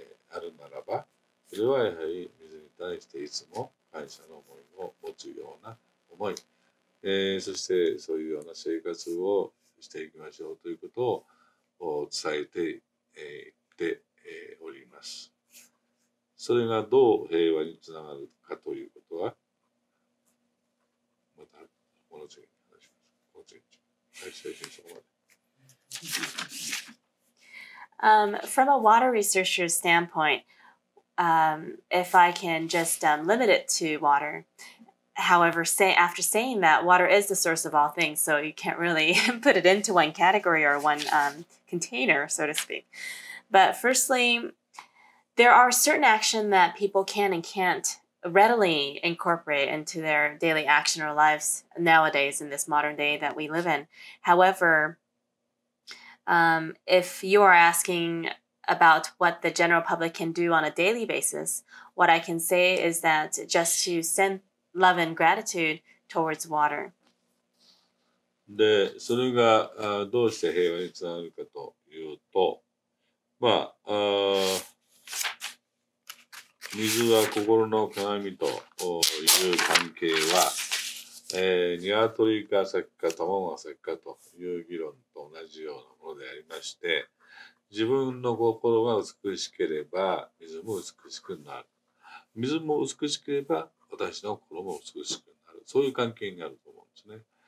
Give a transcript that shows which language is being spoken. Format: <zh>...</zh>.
<ja>あるならば、それはやはり水に対していつも感謝の思いを持つような思い、そしてそういうような生活をしていきましょうということを伝えて、おります。それがどう平和につながるかということは、</ja> <en>From a water researcher's standpoint, if I can just limit it to water, however, after saying that, water is the source of all things, so you can't really put it into one category or one container, so to speak. But firstly, there are certain actions that people can and can't readily incorporate into their daily action or lives nowadays in this modern day that we live in. However, if you are asking about what the general public can do on a daily basis, what I can say is that just to send love and gratitude towards water.</en> <ja>で、それが、どうして平和につながるかというと、まあ、水は心の鏡という関係は、鶏か先か卵が先かという議論と同じようなものでありまして、自分の心が美しければ水も美しくなる、水も美しければ私の心も美しくなる、そういう関係になると思うんですね。</ja>